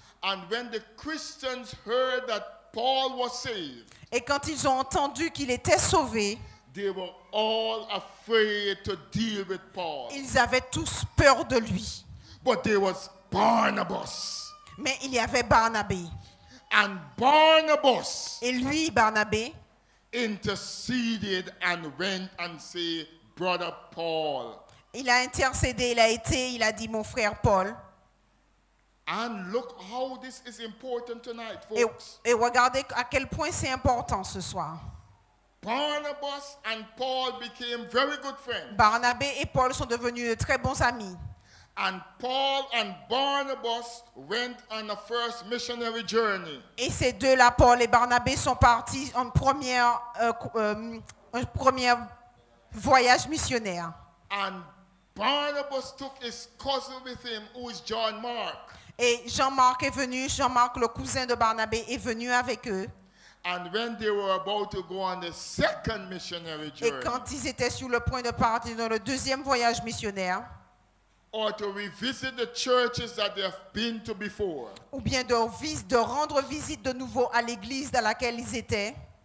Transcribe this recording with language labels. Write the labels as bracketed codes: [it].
[en] And when the Christians heard that Paul was saved, [fr] et quand ils ont entendu qu'il était sauvé, [en] They were all afraid to deal with Paul. [fr] Ils avaient tous peur de lui. [en] But there was Barnabas. [fr] Mais il y avait Barnabé. [en] And Barnabas. [fr] Et lui, Barnabé. [en] Interceded and went and said, "Brother Paul." [fr] Il a intercédé. Il a été. Il a dit, mon frère Paul. [en] And look how this is important tonight, folks. [fr] Et regardez à quel point c'est important ce soir. [en] Barnabas and Paul became very good friends. [fr] Barnabé et Paul sont devenus de très bons amis. [en] And Paul and Barnabas went on a first missionary journey. [fr] Et ces deux-là, Paul et Barnabé, sont partis en première voyage missionnaire. [en] And Barnabas took his cousin with him, who is John Mark. [fr] Et Jean-Marc est venu. Jean-Marc, le cousin de Barnabé, est venu avec eux. [en] And when they were about to go on the second missionary journey. [fr] Et quand ils étaient sur le point de partir dans le deuxième voyage missionnaire. [en] Or to revisit the churches that they have been to before. [fr] Ou bien de rendre visite de nouveau à l'église dans laquelle ils étaient.